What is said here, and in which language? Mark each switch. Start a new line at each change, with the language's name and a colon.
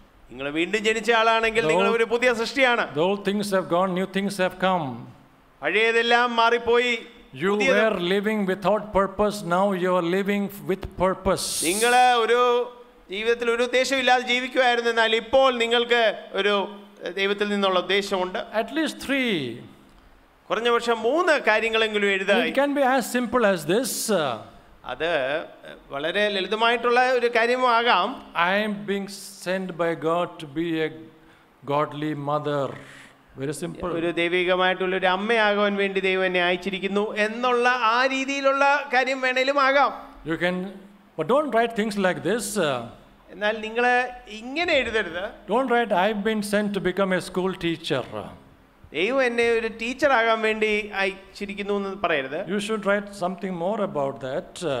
Malayalam: നിങ്ങൾ വീണ്ടും ജനിച്ച ആളാണെങ്കിൽ നിങ്ങൾ ഒരു പുതിയ സൃഷ്ടിയാണ്.
English: Old things have gone, new things have come.
Malayalam: പഴയതെല്ലാം മാറിപ്പോയി.
English: You were living without purpose, now you are living with purpose.
Malayalam: നിങ്ങളെ ഒരു ജീവിതത്തിൽ ഒരു ഉദ്ദേശം ഇല്ലാതെ ജീവിക്കുമായിരുന്നു, എന്നാൽ ഇപ്പോൾ നിങ്ങൾക്ക് ഒരു ദൈവത്തിൽ നിന്നുള്ള ഉദ്ദേശമുണ്ട്.
English: at least 3,
Malayalam: കുറഞ്ഞ പക്ഷം 3 കാര്യങ്ങളെങ്കിലും എഴുതായി.
English: It can be as simple as this.
Malayalam: അത് വളരെ ലളിതമായിട്ടുള്ള ഒരു കാര്യമാകാം.
English: I am being sent by God to be a godly mother. Very simple.
Malayalam: ഒരു ദൈവികമായിട്ടുള്ള ഒരു അമ്മയാകാൻ വേണ്ടി ദൈവം എന്നെ അയച്ചിരിക്കുന്നു എന്നുള്ള ആ രീതിയിലുള്ള കാര്യം വേണേലും ആകാം.
English: You can, but don't write things like this.
Malayalam: എന്നാൽ നിങ്ങൾ ഇങ്ങനെ എഴുതരുത്.
English: Don't write, I've been sent to become a school teacher.
Malayalam: ദൈവം എന്നെ ഒരു ടീച്ചർ ആകാൻ വേണ്ടി അയച്ചിരിക്കുന്നു എന്ന് പറയരുത്.
English: You should write something more about that.